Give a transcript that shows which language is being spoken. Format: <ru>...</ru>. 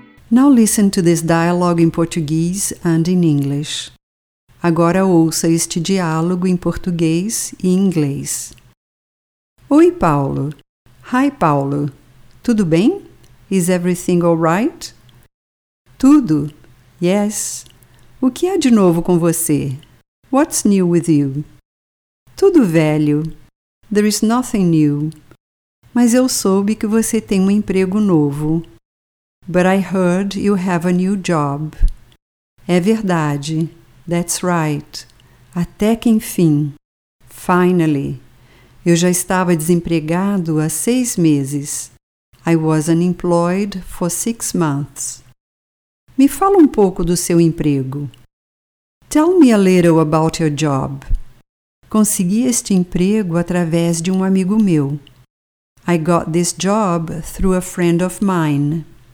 <en>Now listen to this dialogue in Portuguese and in English.</en> <pt>Agora ouça este diálogo em português e inglês. Oi, Paulo.</pt> <en>Hi, Paulo.</en> <pt>Tudo bem?</pt> <en>Is everything all right?</en> <pt>Tudo.</pt> <en>Yes.</en> <pt>O que há de novo com você?</pt> <en>What's new with you?</en> <pt>Tudo velho.</pt> <en>There is nothing new.</en> <pt>Mas eu soube que você tem um emprego novo.</pt> <en>But I heard you have a new job.</en> <pt>É verdade.</pt> <en>That's right.</en> <pt>Até que enfim.</pt> <en>Finally.</en> <pt>Eu já estava desempregado há 6 meses.</pt> <en>I was unemployed for 6 months.</en> <pt>Me fala um pouco do seu emprego.</pt> <en>Tell me a little about your job.</en> <pt>Consegui este emprego através de um amigo meu.</pt> <en>I got this job through a friend of mine.</en>